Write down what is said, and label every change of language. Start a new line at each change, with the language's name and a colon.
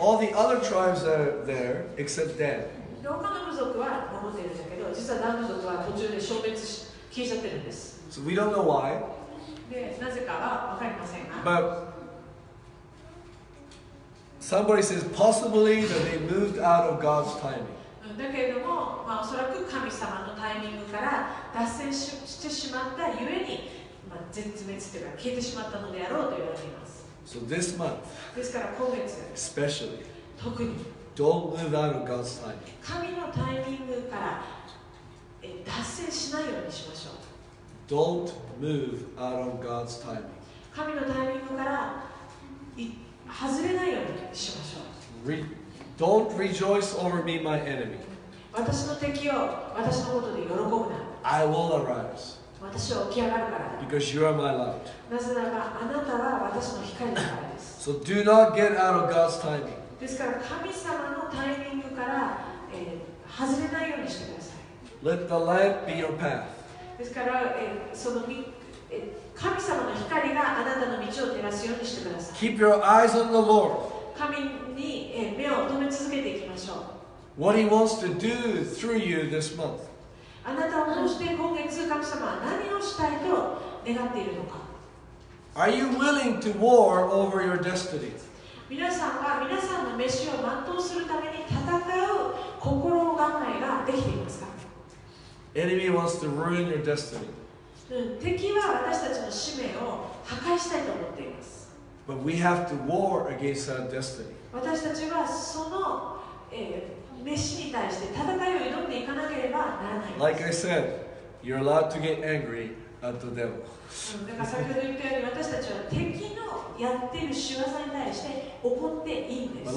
English: All the other tribes that are there, except Dan.
Japanese: 他の部族は守っているんだけど、実はダンの族は途中で消滅し消えちゃってるんです。
English: So we don't know why.
Japanese: で、なぜかはわかりませんが。
English: But somebody says possibly that they moved out of God's timing.
Japanese: だけれども、まあ、おそらく神様のタイミングから脱線 してしまったゆえに、まあ、絶滅というか消えてしまったのであろうと言われています。
English: So、this month,
Japanese: ですから今月、
English: especially,
Japanese: 特に
English: don't move out of God's timing.
Japanese: 神のタイミングから脱線しないようにしましょう。
English: Don't move out of God's timing.
Japanese: 神のタイミングから外れないようにしましょう。
English: Don't rejoice over me, my enemy.
Japanese: 私の敵を私のことで喜ぶな。
English: I will arise.
Japanese: 私は起き上がるからだ。
English: Because you are my light.
Japanese: なぜならあなたは私の光だからです。
English: So do not get out of God's timing.
Japanese: ですから神様のタイミングから、外れないようにしてください。
English: Let the light be your path.
Japanese: ですから、神様の光があなたの道を照らすようにしてください。
English: Keep your eyes on the Lord.
Japanese: 神に目を留め続けていきましょう。
English: What he wants to do through you this month.
Japanese: あなたを通して今月神様は何をしたいと願っているのか。
English: Are you willing to war over your destiny?
Japanese: 皆さんは皆さんの召しを全うするために戦う心構えができていますか。
English: Enemy wants to ruin your destiny.
Japanese: 敵は私たちの使命を破壊したいと思っています。
English: But we have to war against our destiny.
Japanese: 私たちはその、召しに対して戦いを挑んでいかなければならないんです。
English: Like I said, you're allowed to get angry at the devil.
Japanese: だから先ほど言ったように私たちは敵のやっている仕業に対して怒っていいんです。